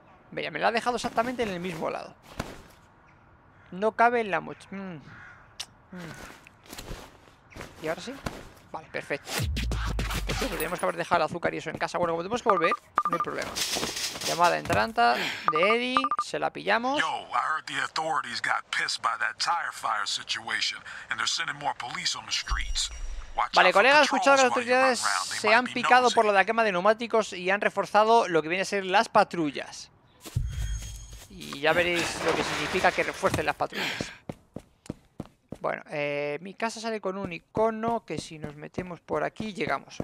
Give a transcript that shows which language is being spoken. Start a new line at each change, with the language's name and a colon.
Spanish: Mira, me la ha dejado exactamente en el mismo lado. No cabe en la mochila. ¿Y ahora sí? Vale, perfecto. Entonces, tenemos que haber dejado el azúcar y eso en casa. Bueno, como tenemos que volver, no hay problema. Llamada entranta de Eddie. Se la pillamos.
English: Yo, I heard the authorities got pissed by that tire fire situation and they're sending more police on the streets.
Spanish: Vale, colega, he escuchado que las autoridades se han picado por lo de la quema de neumáticos y han reforzado lo que viene a ser las patrullas. Y ya veréis lo que significa que refuercen las patrullas. Bueno, mi casa sale con un icono que si nos metemos por aquí llegamos.